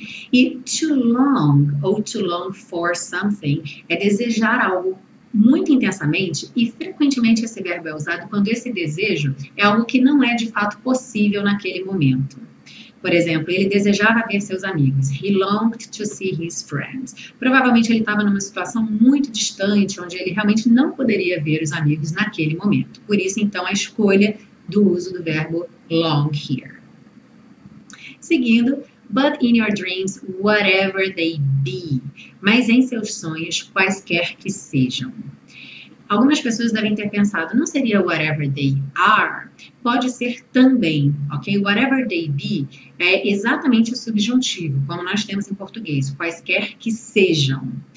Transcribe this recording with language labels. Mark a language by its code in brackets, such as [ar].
[pt] E to long ou [en] to long for something [pt] é desejar algo muito intensamente e frequentemente esse verbo é usado quando esse desejo é algo que não é de fato possível naquele momento. Por exemplo, ele desejava ver seus amigos. [en] He longed to see his friends. [pt] Provavelmente ele estava numa situação muito distante, onde ele realmente não poderia ver os amigos naquele momento. Por isso, então, a escolha do uso do verbo long here. Seguindo, [en] but in your dreams, whatever they be. [pt] Mas em seus sonhos, quaisquer que sejam. Algumas pessoas devem ter pensado, não seria [en] whatever they are? [pt] Pode ser também, ok? [en] Whatever they be [pt] é exatamente o subjuntivo, como nós temos em português, quaisquer que sejam.